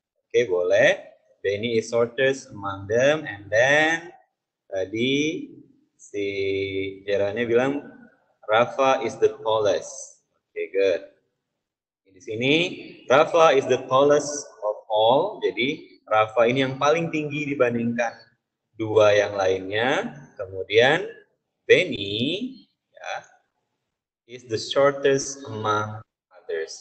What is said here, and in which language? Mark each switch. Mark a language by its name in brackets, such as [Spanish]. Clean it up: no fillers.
[English] Oke, okay, boleh. Benny is shortest among them. And then, [Indonesian] tadi si Jeroennya bilang, [English] Rafa is the tallest. Okay, good. [Indonesian] Di sini, [English] Rafa is the tallest of all. [Indonesian] Jadi, Rafa ini yang paling tinggi dibandingkan dua yang lainnya. [English] Kemudian, Benny ya, is the shortest among others.